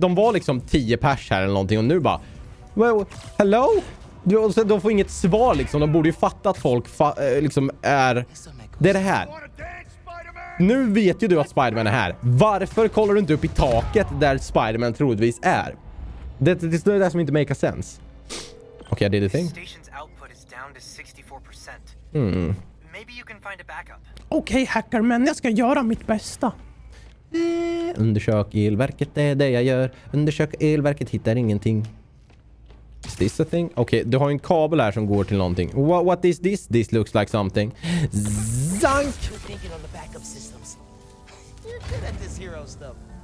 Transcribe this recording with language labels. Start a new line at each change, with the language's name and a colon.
Swedish: De var liksom 10 pers här eller någonting. Och nu bara...
English: Well, hello?
Swedish: De får inget svar liksom. De borde ju fatta att folk liksom är... Det är det här. Nu vet ju du att Spider-Man är här. Varför kollar du inte upp i taket där Spider-Man troligtvis är? Det är det som inte
English: make a sense. Okej, okay, I did a thing. Station's output is down to 64%. Maybe you can find a backup.
Swedish: Okej, hackerman, jag ska göra mitt bästa. Undersök elverket, det är det jag gör. Undersök elverket, hittar ingenting.
English: Is this a thing?
Swedish: Okej, okay, du har en kabel här som går till någonting.
English: What is this? This looks like something. Zank! You're thinking on the backup systems. You're good at this hero stuff.